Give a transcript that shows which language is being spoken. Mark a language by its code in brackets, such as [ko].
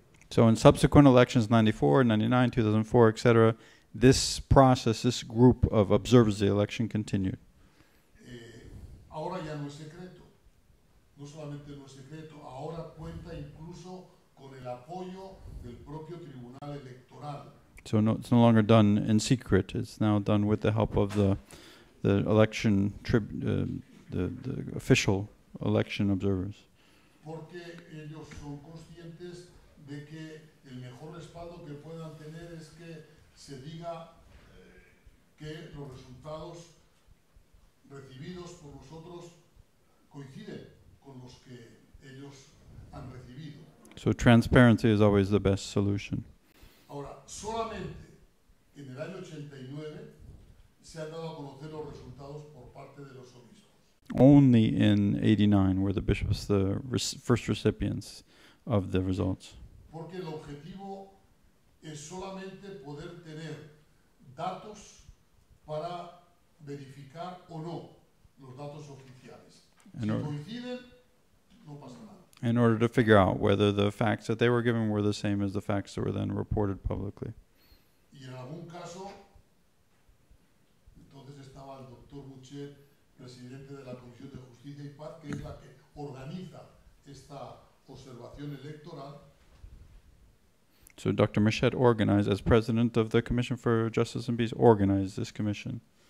[en] So in subsequent elections, 94, 99, 2004, etc., this process, this group of observers of the election continued. [es] Ahora ya no es secreto. No solamente no es secreto, ahora cuenta incluso con el apoyo del propio tribunal electoral. [en] So no, it's no longer done in secret. It's now done with the help of the election the official election observers. [es] Porque ellos son conscientes de que el mejor respaldo que puedan tener es que se diga que los resultados recibidos por nosotros coinciden con los que ellos han recibido. [en] So transparency is always the best solution. [es] Ahora, solamente en el año 89 se han dado a conocer los resultados por parte de los obispos. [en] Only in 89 were the bishops the first recipients of the results. [es] Porque el objetivo es solamente poder tener datos para verificar o no los datos oficiales. Si coinciden, no pasa nada. [en] In order to figure out whether the facts that they were given were the same as the facts that were then reported publicly. [es] Y en algún caso, entonces estaba el doctor Muche, presidente de la Comisión de Justicia y Paz, que es la que organiza esta observación electoral. [en] So Dr. Michette organized, as president of the Commission for Justice and Peace, organized this commission.